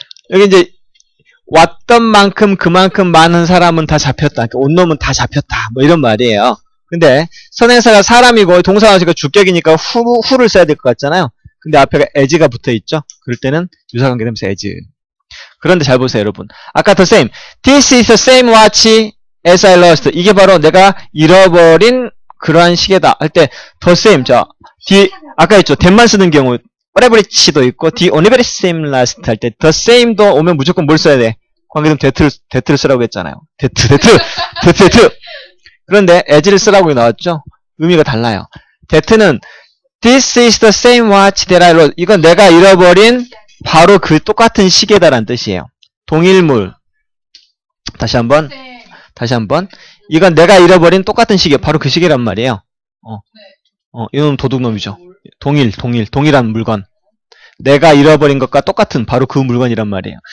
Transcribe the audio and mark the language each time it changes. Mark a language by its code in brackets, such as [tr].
[ko] 여기 이제 왔던 만큼 그만큼 많은 사람은 다 잡혔다. 온 놈은 다 잡혔다. 뭐 이런 말이에요. 근데 선행사가 사람이고 동사가 주격이니까 후를 써야 될 것 같잖아요. 근데 앞에가 as가 붙어있죠? 그럴 때는 유사관계대명사 as. 그런데 잘 보세요, 여러분. [en] 아까 the same. This is the same watch as I lost. [ko] 이게 바로 내가 잃어버린 그러한 시계다. 할 때 the same. 자, 아까 했죠? 덴만 쓰는 경우 whatever이치도 있고 the only very same last 할 때 the same도 오면 무조건 뭘 써야 돼? 관계대명사 that를 쓰라고 했잖아요. that. 그런데 as를 쓰라고 나왔죠? 의미가 달라요. [en] that는 This is the same watch that I lost. [ko] 이건 내가 잃어버린 바로 그 똑같은 시계다란 뜻이에요. 동일물. 다시 한 번. 이건 내가 잃어버린 똑같은 시계. 바로 그 시계란 말이에요. 이놈 도둑놈이죠. 동일한 물건. 내가 잃어버린 것과 똑같은 바로 그 물건이란 말이에요.